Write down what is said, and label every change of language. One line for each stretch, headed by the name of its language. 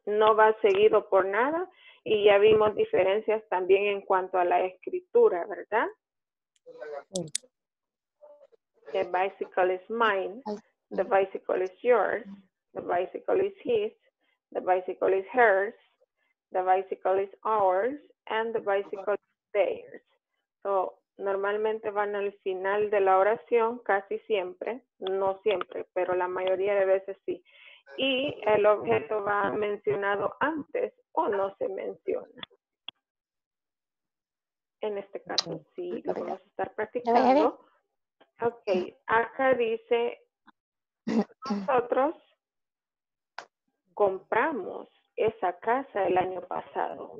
Spanish: No va seguido por nada y ya vimos diferencias también en cuanto a la escritura, ¿verdad?
English: The bicycle is mine, the bicycle is yours, the bicycle is his, the bicycle is hers, the bicycle is ours, and the bicycle is theirs.
Spanish: So, normalmente van al final de la oración, casi siempre, no siempre, pero la mayoría de veces sí. Y el objeto va mencionado antes o no se menciona. En este caso, sí, lo vamos a estar practicando. Ok, acá dice, nosotros compramos esa casa el año pasado.